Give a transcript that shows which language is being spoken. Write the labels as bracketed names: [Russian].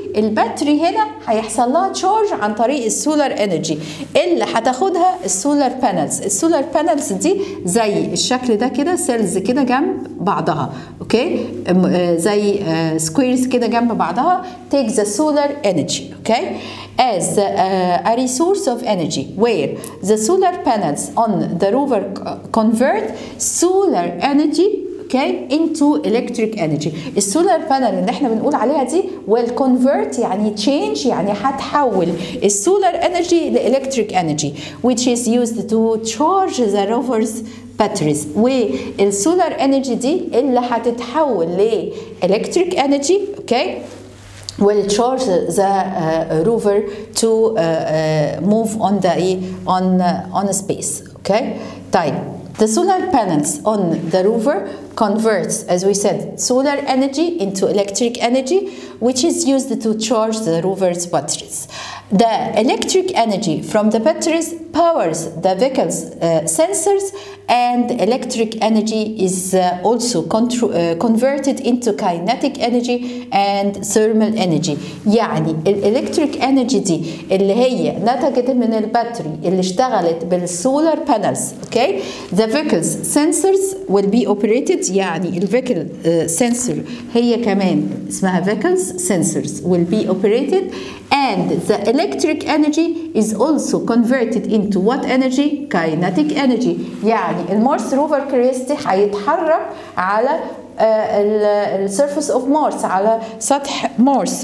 [Arabic] الباتري هنا هيحصل لها تشارج عن طريق السولار انرجي اللي هتاخدها السولار بانلز. السولار بانلز دي زي الشكل ده كده سيلز كده جنب بعضها. اوكي زي سكويرز كده جنب بعضها [English] Take the solar energy. Okay as a resource of energy where the solar panels on the rover convert solar energy okay into electric energy. [Arabic] السولار بانل اللي احنا بنقول عليها دي [English] will convert [Arabic] يعني change يعني هتحول السولار انرجي لالكتريك انرجي [English] which is used to charge the rover's batteries. [Arabic] والسولار انرجي دي اللي هتتحول لالكتريك انرجي [English] okay will charge the rover to move on the on space. Okay. طيب the solar panels on the rover converts, as we said, solar energy into electric energy, which is used to charge the rover's batteries. The electric energy from the batteries powers the vehicle's sensors, and electric energy is also converted into kinetic energy and thermal energy. [Arabic] يعني الالكتريك انرجي دي اللي هي نتجت من الباتري اللي اشتغلت بالسولار بانلز. [English] Okay, the vehicle's sensors will be operated. [Arabic] يعني الفيكل سنسور هي كمان اسمها [English] vehicle's sensors will be operated. And the electric energy is also converted into what energy? Kinetic energy. [Arabic] يعني المارس روفر كريستي هيتحرك على ال surface of Mars, على سطح مارس.